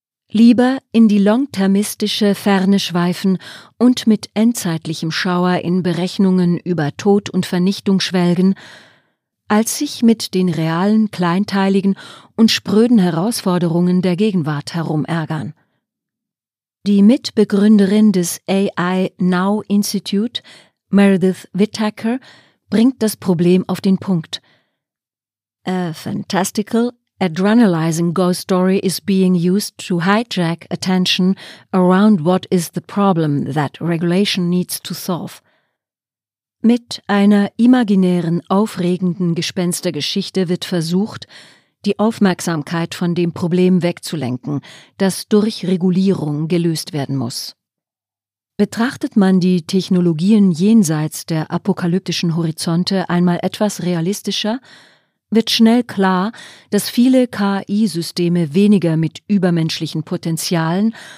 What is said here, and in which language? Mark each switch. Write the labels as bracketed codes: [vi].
[de] Lieber in die longtermistische Ferne schweifen und mit endzeitlichem Schauer in Berechnungen über Tod und Vernichtung schwelgen, als sich mit den realen, kleinteiligen und spröden Herausforderungen der Gegenwart herumärgern. Die Mitbegründerin des AI Now Institute, Meredith Whittaker, bringt das Problem auf den Punkt. [en] A fantastical, adrenalizing ghost story is being used to hijack attention around what is the problem that regulation needs to solve. [de] Mit einer imaginären, aufregenden Gespenstergeschichte wird versucht, die Aufmerksamkeit von dem Problem wegzulenken, das durch Regulierung gelöst werden muss. Betrachtet man die Technologien jenseits der apokalyptischen Horizonte einmal etwas realistischer, wird schnell klar, dass viele KI-Systeme weniger mit übermenschlichen Potenzialen